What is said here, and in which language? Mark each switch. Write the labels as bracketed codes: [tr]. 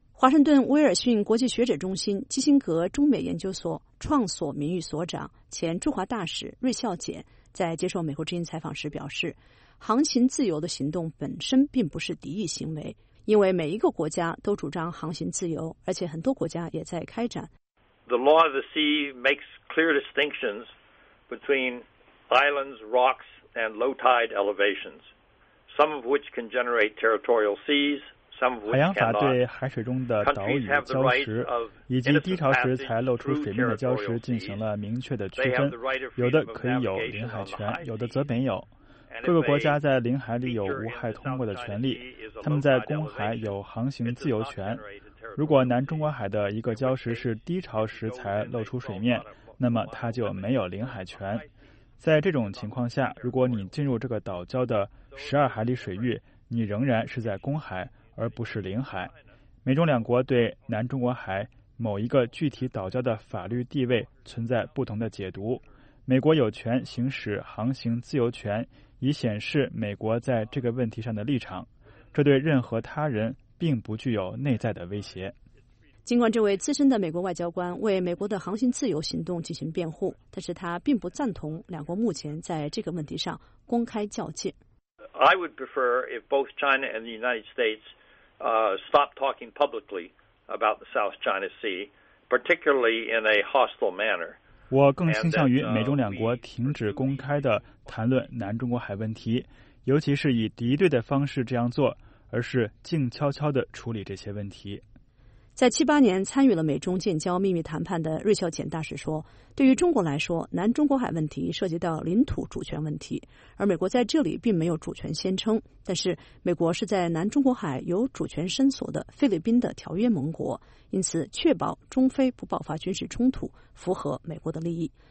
[zh] 华盛顿威尔逊国际学者中心基辛格中美研究所创所名誉所长、前驻华大使瑞孝简在接受美国之音采访时表示，航行自由的行动本身并不是敌意行为，因为每一个国家都主张航行自由，而且很多国家也在开展。 [en] The law of the sea makes clear distinctions between islands, rocks, and low tide elevations, some of which can generate territorial seas. [zh] 海洋法对海水中的岛屿、礁石以及低潮时才露出水面的礁石进行了明确的区分，有的可以有领海权，有的则没有。各个国家在领海里有无害通过的权利，他们在公海有航行自由权。如果南中国海的一个礁石是低潮时才露出水面，那么它就没有领海权。在这种情况下，如果你进入这个岛礁的12海里水域，你仍然是在公海而不是领海。美中两国对南中国海某一个具体岛礁的法律地位存在不同的解读。美国有权行使航行自由权，以显示美国在这个问题上的立场，这对任何他人并不具有内在的威胁。尽管这位资深的美国外交官为美国的航行自由行动进行辩护，但是他并不赞同两国目前在这个问题上公开较劲。 [en] I would prefer if both China and the United States stop talking publicly about the South China Sea, particularly in a hostile manner. [zh] 我更倾向于美中两国停止公开的谈论南中国海问题，尤其是以敌对的方式这样做，而是静悄悄地处理这些问题。在78年参与了美中建交秘密谈判的瑞孝简大使说，对于中国来说，南中国海问题涉及到领土主权问题，而美国在这里并没有主权宣称，但是美国是在南中国海有主权申索的菲律宾的条约盟国，因此确保中非不爆发军事冲突符合美国的利益。